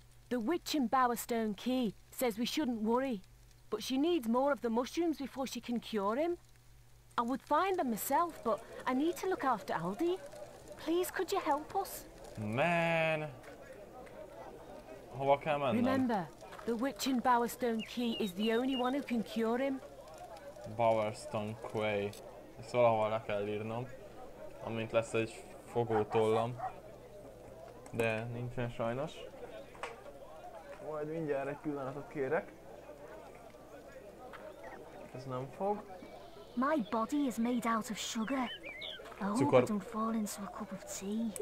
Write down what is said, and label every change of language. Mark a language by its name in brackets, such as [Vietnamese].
[English] The witch in Bowerstone Key says we shouldn't worry, but she needs more of the mushrooms before she can cure him. I would find them myself, but I need to look after Aldi. Please, could you help us? [Hungarian] Man. Hova kell mennem? [English] Remember, the witch in Bowerstone Key is the only one who can cure him. Bowerstone Quay. [Hungarian] Ezt valahova le kell írnom, amint lesz egy fogótollam. De nincsen sajnos. Majd mindjárt egy pillanatot kérek. Ez nem fog. [English] My body is made out of sugar. I hope [Hungarian] cukor. [English] I don't fall into a cup of tea.